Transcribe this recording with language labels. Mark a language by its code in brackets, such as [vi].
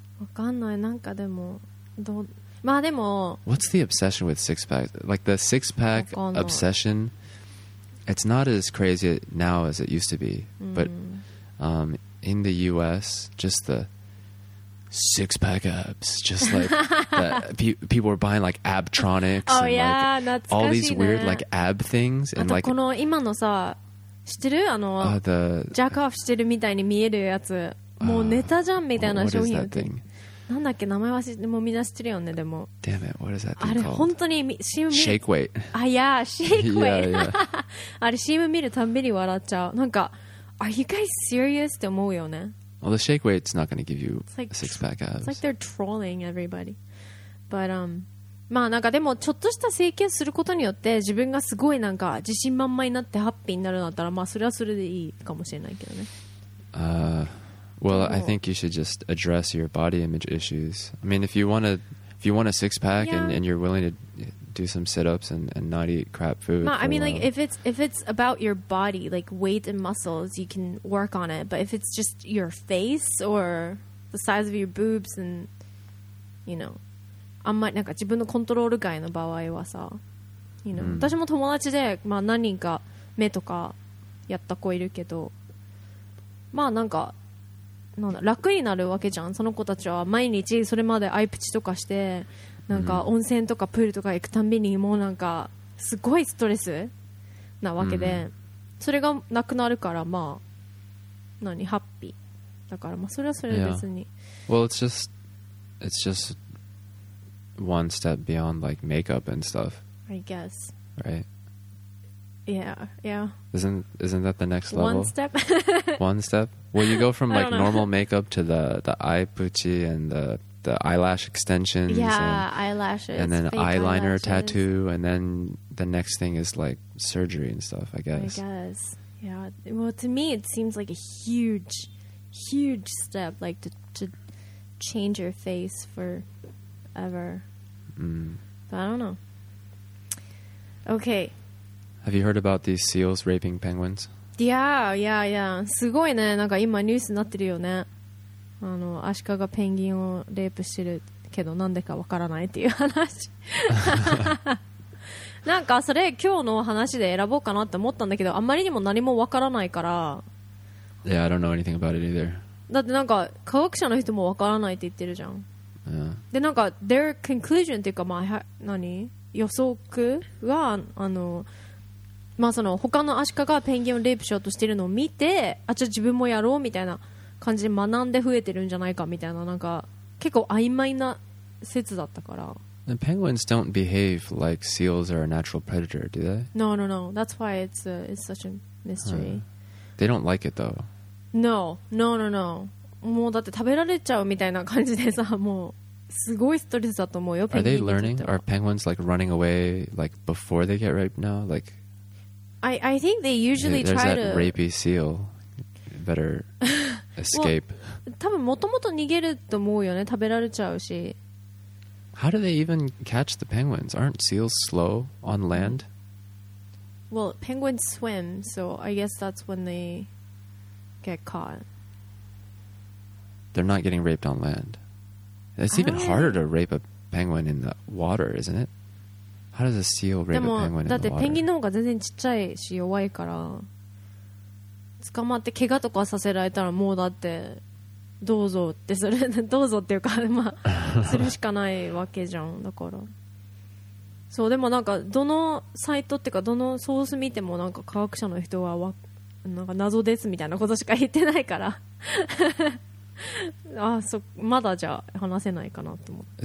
[ja] わかんないなんかでもどうまあでも。 [en] What's the obsession with six pack? Like the six pack obsession? It's not as crazy now as it used to be, but in the U.S., just the six-pack abs, just like people were buying like Abtronics. Oh, yeah, all these weird like ab things. And like, the jack off [ja] してるみたいに見えるやつ、もうネタじゃんみたいな商品。 [en] What is that thing? [ja] なんだっけ名前忘れてもみんな知ってるよねでも。 [en] Damn it, what is that thing called? [ja] あれ本当にシム。 [en] Shake weight. [ja] あ、いや、shake weight。あれシム見るたびに笑っちゃう。なんか、 [en] Are you guys serious? [ja] って思うよね。 [en] Well, the shake weight's not gonna give you a six pack abs. It's like they're trolling everybody. [ja] But, まあなんかでもちょっとした整形することによって自分がすごいなんか自信満々になってハッピーになるんだったら、まあそれはそれでいいかもしれないけどね。 [en] Well, I think you should just address your body image issues. I mean, if you want a six pack and you're willing to do some sit ups and not eat crap food. I mean, like if it's about your body, like weight and muscles, you can work on it. But if it's just your face or the size of your boobs and you know, [ja] あんまりなんか自分のコントロール外の場合はさ、 [en] you know, [ja] 私も友達でまあ何人か目とかやった子いるけど、まあなんか。なんだ楽になるわけじゃんその子たちは毎日それまでアイプチとかしてなんか温泉とかプールとか行くたびにもうなんかすごいストレスなわけで、mm-hmm. それがなくなるからまあ何ハッピーだからまあそれはそれ別に、 [en] yeah. Well it's just one step beyond like makeup and stuff I guess Right Yeah Isn't that the next level One step One step Well, you go from like normal makeup to the eye poochie and the eyelash extensions. Yeah, and, eyelashes. And then eyeliner eyelashes. Tattoo. And then the next thing is like surgery and stuff, I guess. Yeah. Well, to me, it seems like a huge, huge step, like to change your face forever. Mm. But I don't know. Okay. Have you heard about these seals raping penguins? Yeah. [ja] すごいね。なんか今ニュースになってるよね。あの、アシカがペンギンをレイプしてるけど、なんでかわからないっていう話。なんかそれ今日の話で選ぼうかなって思ったんだけど、あんまりにも何もわからないから。 [en] Yeah, I don't know anything about it either. [ja] だってなんか科学者の人もわからないって言ってるじゃん。 [en] Yeah. [ja] で、なんか [en] their conclusion [ja] っていうか、まあ、何? 予測が、あの、まあ、その他のアシカがペンギンをレイプしようとしてるのを見てあじゃあ自分もやろうみたいな感じで学んで増えてるんじゃないかみたい な, なんか結構曖昧な説だったから [en] The penguins don't behave like seals are a natural predator, do they? No. That's why it's such a mystery.、 They don't like it though. No. [ja] もうだって食べられちゃうみたいな感じでさもうすごいストレスだと思うよ [en] Are they learning? Are penguins like running away like before they get raped now? Like... I think they usually There's try to... There's that rapey seal. Better escape. [ja] 多分もともと逃げると思うよね。食べられちゃうし。 [en] How do they even catch the penguins? Aren't seals slow on land? Well, penguins swim, so I guess that's when they get caught. They're not getting raped on land. It's even harder to rape a penguin in the water, isn't it? How does a seal rape a penguin in the water? [ja] だってペンギンの方が全然ちっちゃいし弱いから捕まって怪我とかさせられたらもうだってどうぞってするどうぞっていうかまあするしかないわけじゃんだからそうでもなんかどのサイトっていうかどのソース見てもなんか科学者の人はなんか謎ですみたいなことしか言ってないからああそまだじゃ話せないかなと思って